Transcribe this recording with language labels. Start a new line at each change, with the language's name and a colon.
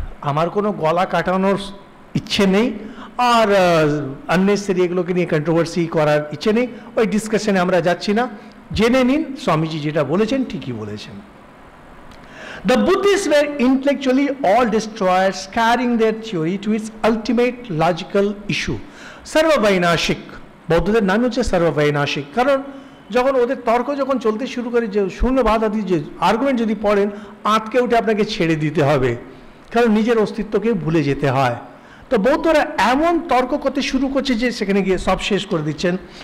Bangla: আমার কোনো গলা কাটানোর ইচ্ছে নেই আর আননেসেসারি এগুলোকে নিয়ে কন্ট্রোভার্সি করার ইচ্ছে নেই, ওই ডিসকাশনে আমরা যাচ্ছি না, জেনে নিন স্বামীজি যেটা বলেছেন ঠিকই বলেছেন।
English: The Buddhists were intellectually all destroyers, carrying their theory to its ultimate logical issue.
Bangla: Sarvavainashik. বৌদ্ধদের নামই হচ্ছে সর্ববৈনাশিক, কারণ যখন ওদের তর্ক যখন চলতে শুরু করে যে শূন্যবাদ আদি যে আর্গুমেন্ট যদি পড়েন আঁতকে উঠে আপনাকে ছেড়ে দিতে হবে, কারণ নিজের অস্তিত্বকে ভুলে যেতে হয়। তো বৌদ্ধরা এমন তর্ক করতে শুরু করছে যে সেখানে গিয়ে সব শেষ করে দিচ্ছেন।